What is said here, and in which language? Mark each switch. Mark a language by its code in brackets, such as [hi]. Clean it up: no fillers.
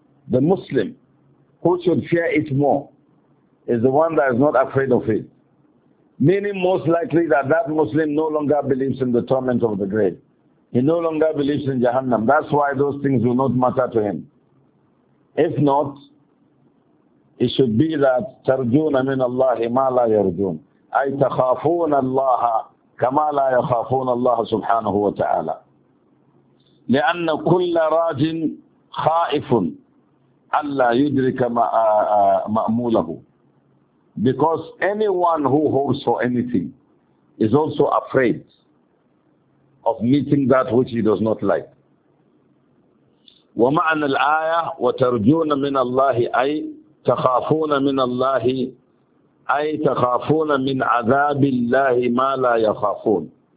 [en] The Muslim who should fear it more is the one that is not afraid of it. Meaning most likely that Muslim no longer believes in the torment of the grave. He no longer believes in Jahannam. That's why those things will not matter to him. If not, it should be that [ar] تَرْجُونَ مِنَ اللَّهِ مَا لَا يَرْجُونَ أَيْ تَخَافُونَ اللَّهَ كَمَا لَا يَخَافُونَ اللَّهَ سُبْحَانَهُ وَتَعَالَى لِأَنَّ كُلَّ رَاجٍ خَائِفٌ أَلَّا يُدْرِكَ مَأْمُولَهُ. [en] Because anyone who hopes for anything is also afraid of meeting that which he does not like. [ar] وَمَعْنَى الْآيَةِ وَتَرْجُونَ مِنَ اللَّهِ أَيْ تَخَافُونَ مِنَ اللَّهِ أَيْ تَخَافُونَ مِنْ عَذَابِ اللَّهِ مَا لَا يَخَافُونَ.